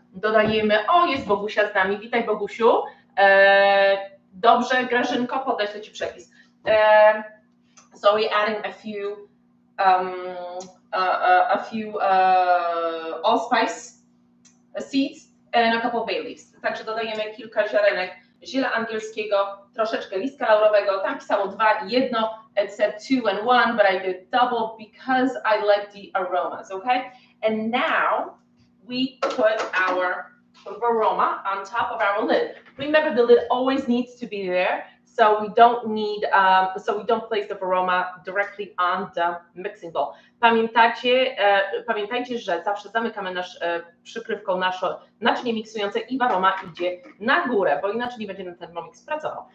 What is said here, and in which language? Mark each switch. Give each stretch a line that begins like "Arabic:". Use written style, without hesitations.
Polish: Dodajemy, o jest Bogusia z nami, witaj Bogusiu. Dobrze, Grażynko, podeślę Ci przepis.
English: So we're adding a few allspice seeds and a couple bay leaves.
Polish: Także dodajemy kilka ziarenek ziela angielskiego, troszeczkę listka laurowego. Tam pisało dwa i jedno.
English: It said two and one, but I did double because I like the aromas, okay? And now we put our aroma on top of our lid. Remember, the lid always needs to be there. So we don't need, so we don't place the aroma directly on the mixing bowl.
Polish: Pamiętajcie, że zawsze zamykamy nasz przykrywką nasze naczynie miksujące i aroma idzie na górę, bo inaczej nie będzie ten Thermomix pracował.